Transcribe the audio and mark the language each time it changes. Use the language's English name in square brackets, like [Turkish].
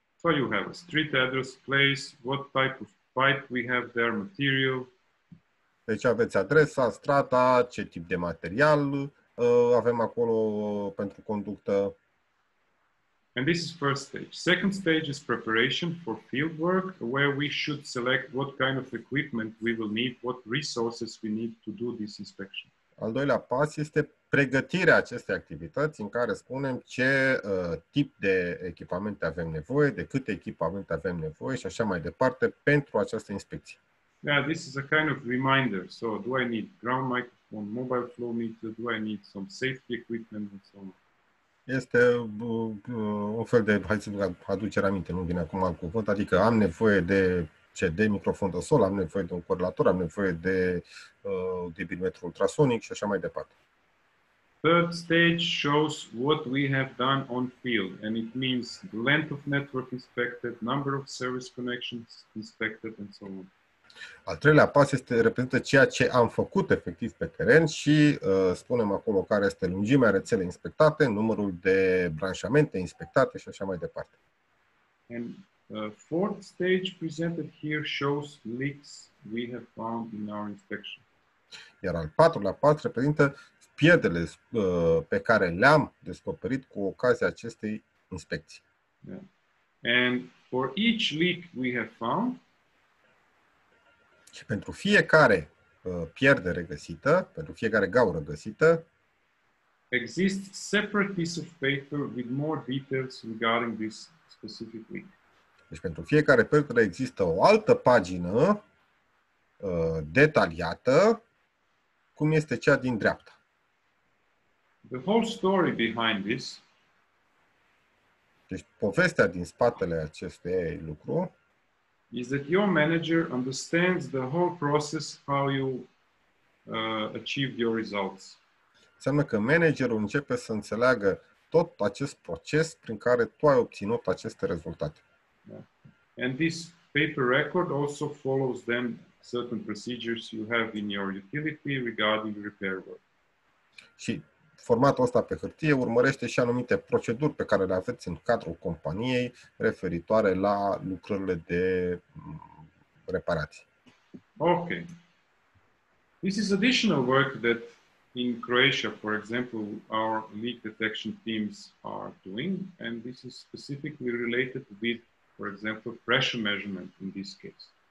[English] So you have a street address, place, what type of pipe we have there, material. [Romanian] Deci aveți adresa, strata, ce tip de material avem acolo pentru conductă. [English] And this is first stage. Second stage is preparation for field work, where we should select what kind of equipment we will need, what resources we need to do this inspection. [Romanian] Al doilea pas este pregătirea acestei activități, în care spunem ce tip de echipamente avem nevoie, de câte echipamente avem nevoie și așa mai departe pentru această inspecție. [English] Yeah, this is a kind of reminder. So, do I need ground microphone, mobile flow meter, do I need some safety equipment and so on? [Romanian] Este un fel de, hai să vă aduce aminte, nu vine acum alt cuvânt, adică am nevoie de CD, microfon de sol, am nevoie de un corelator, am nevoie de debitmetru ultrasonic și așa mai departe. [English] Third stage shows what we have done on field, and it means length of network inspected, number of service connections inspected and so on. [Romanian] Al treilea pas este reprezintă ceea ce am făcut efectiv pe teren și spunem acolo care este lungimea rețelei inspectate, numărul de branșamente inspectate și așa mai departe. [English] And fourth stage presented here shows leaks we have found in our inspection. [Romanian] Iar al patrulea pas reprezintă pierderile pe care le-am descoperit cu ocazia acestei inspecții. [English] Yeah. And for each leak we have found, [Romanian] și pentru fiecare pierdere găsită, pentru fiecare gaură găsită, există [English] separate piece of paper with more details regarding this specific leak. [Romanian] Deci pentru fiecare pierdere există o altă pagină detaliată, cum este cea din dreapta. [English] The whole story behind this. [Romanian] Deci povestea din spatele acestei lucru [English] is that your manager understands the whole process how you achieve your results. [Romanian] Înseamnă că managerul începe să înțeleagă tot acest proces prin care tu ai obținut aceste rezultate. [English] Yeah. And this paper record also follows then certain procedures you have in your utility regarding repair work. [Romanian] Și formatul ăsta pe hârtie urmărește și anumite proceduri pe care le aveți în cadrul companiei referitoare la lucrările de reparații. [English] Okay. This is additional work that in Croatia, for example, our leak detection teams are doing, and this is specifically related with, for example, pressure measurement in this case.